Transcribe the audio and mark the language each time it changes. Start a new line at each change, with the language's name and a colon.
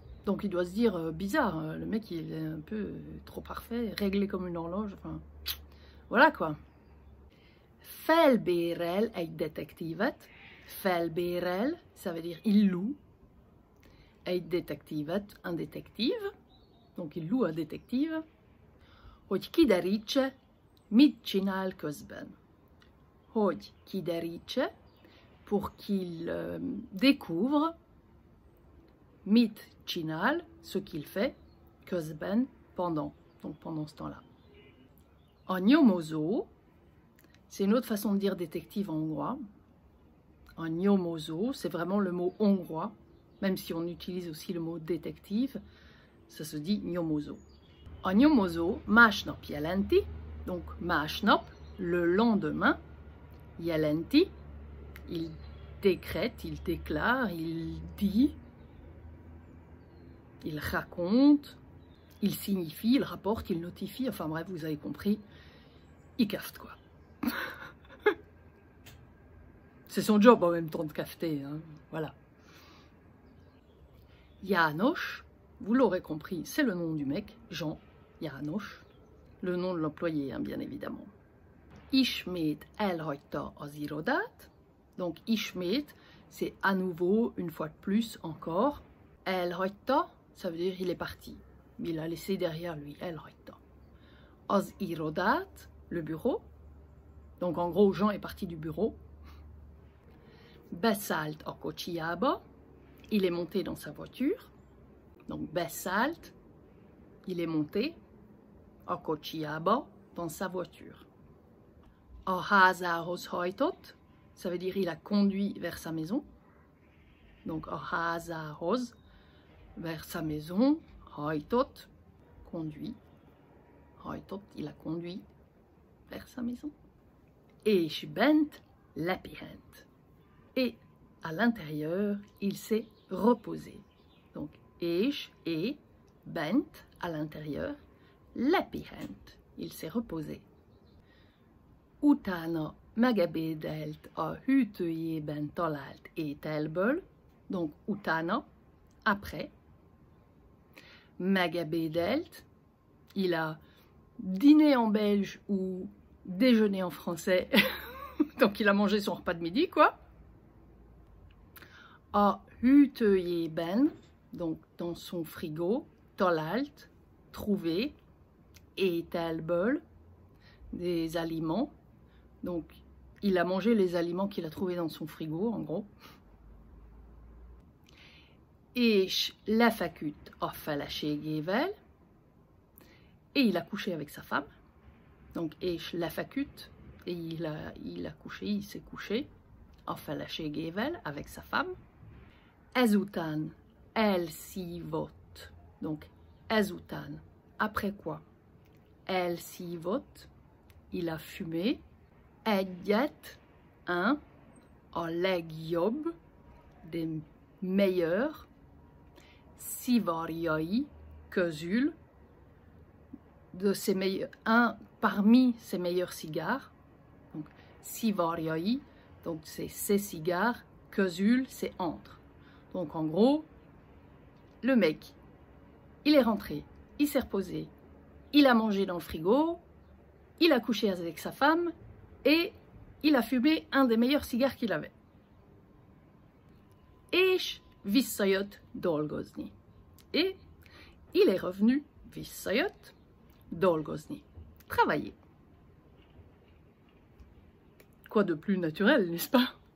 French: Donc il doit se dire bizarre, le mec il est un peu trop parfait, réglé comme une horloge, enfin voilà quoi.
Hungarian: Felbérel
French: est détectivet. Felbérel, ça veut dire il loue. Est détectivet, un détective. Donc il loue un détective.
Hungarian: Hogy kiderítse, mit csinál közben. Hogy kiderítse,
French: pour qu'il découvre,
Hungarian: mit csinál,
French: ce qu'il fait,
Hungarian: közben,
French: pendant. Donc pendant ce temps-là.
Hungarian: En nyomozó,
French: c'est une autre façon de dire détective en hongrois.
Hungarian: En nyomozó,
French: c'est vraiment le mot hongrois. Même si on utilise aussi le mot détective, ça se dit nyomozó.
Hungarian: En nyomozó, másnap jelenti,
French: donc
Hungarian: másnap,
French: le lendemain,
Hungarian: jelenti,
French: il décrète, il déclare, il dit, il raconte, il signifie, il rapporte, il notifie, enfin bref, vous avez compris, il cafte quoi. C'est son job en même temps de cafter, hein. Voilà. János, vous l'aurez compris, c'est le nom du mec, Jean János, le nom de l'employé, hein, bien évidemment.
Hungarian: Ismét elhagyta az irodát.
French: Donc ismét, c'est à nouveau, une fois de plus, encore.
Hungarian: Elhagyta,
French: ça veut dire il est parti. Il a laissé derrière lui,
Hungarian: elhagyta. Az irodát,
French: le bureau. Donc en gros, Jean est parti du bureau.
Hungarian: Beszállt a kocsijába.
French: Il est monté dans sa voiture. Donc
Hungarian: beszállt,
French: il est monté
Hungarian: a kocsijába,
French: dans sa voiture.
Hungarian: A házához hajtott,
French: ça veut dire il a conduit vers sa maison. Donc
Hungarian: a házához,
French: vers sa maison,
Hungarian: hajtott,
French: conduit.
Hungarian: Hajtott,
French: il a conduit vers sa maison.
Hungarian: És bent lepihent.
French: Et à l'intérieur, il s'est reposé. Donc
Hungarian: és
French: et
Hungarian: bent
French: à l'intérieur,
Hungarian: lepihent.
French: Il s'est reposé.
Hungarian: Utána megebédelt a hűtőjében talált ételből.
French: Donc
Hungarian: utána,
French: après.
Hungarian: Megebédelt.
French: Il a dîné en belge ou déjeuné en français. Donc il a mangé son repas de midi, quoi.
Hungarian: A hűtőjében,
French: donc dans son frigo,
Hungarian: talált,
French: trouvé,
Hungarian: ételből,
French: des aliments. Donc, il a mangé les aliments qu'il a trouvés dans son frigo, en gros.
Hungarian: És lefeküdt a feleségével.
French: Et il a couché avec sa femme. Donc,
Hungarian: és lefeküdt,
French: et il a couché, il s'est couché,
Hungarian: a feleségével,
French: avec sa femme.
Hungarian: Ezután elszívott.
French: Donc,
Hungarian: ezután,
French: après quoi? Elszívott, il a fumé.
Hungarian: Egyet,
French: un,
Hungarian: a legjobb,
French: des meilleurs,
Hungarian: szivarjai, közül,
French: de ses meilleurs, un, parmi ses meilleurs cigares, donc
Hungarian: szivarjai,
French: donc c'est ses cigares,
Hungarian: közül,
French: c'est entre. Donc en gros, le mec, il est rentré, il s'est reposé, il a mangé dans le frigo, il a couché avec sa femme, et il a fumé un des meilleurs cigares qu'il avait.
Hungarian: És visszajött dolgozni.
French: Et il est revenu
Hungarian: visszajött dolgozni.
French: Travailler. Quoi de plus naturel, n'est-ce pas?